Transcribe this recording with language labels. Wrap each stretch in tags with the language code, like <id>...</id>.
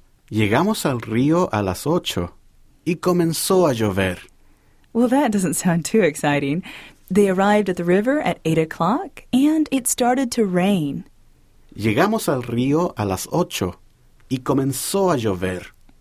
<es>Llegamos al río a las 8 y comenzó a llover.</es> <en>Well, that doesn't sound too exciting. They arrived at the river at 8 o'clock and it started to rain.</en> <es>Llegamos al río a las 8 y comenzó a llover.</es>